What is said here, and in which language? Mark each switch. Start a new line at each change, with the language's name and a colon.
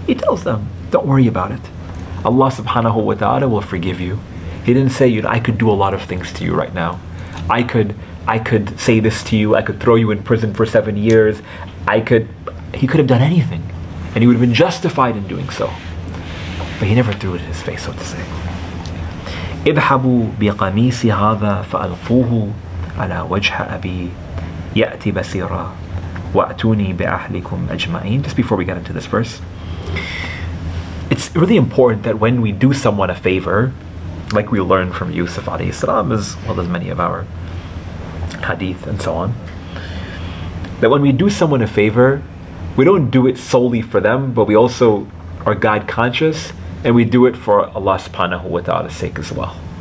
English: He tells them, don't worry about it. Allah subhanahu wa ta'ala will forgive you. He didn't say, you know, I could do a lot of things to you right now. I could say this to you. I could throw you in prison for 7 years. He could have done anything. And he would have been justified in doing so. But he never threw it in his face, so to say.
Arabic: اذهبوا بقميصي هذا فألقوه على وجه أبي يأتي بصيرا وأتوني بأهلكم أجمعين.
English: Just before we get into this verse, it's really important that when we do someone a favor, like we learn from Yusuf alayhi salam, as well as many of our hadith and so on, that when we do someone a favor, we don't do it solely for them, but we also are God conscious, and we do it for Allah subhanahu wa ta'ala's sake as well.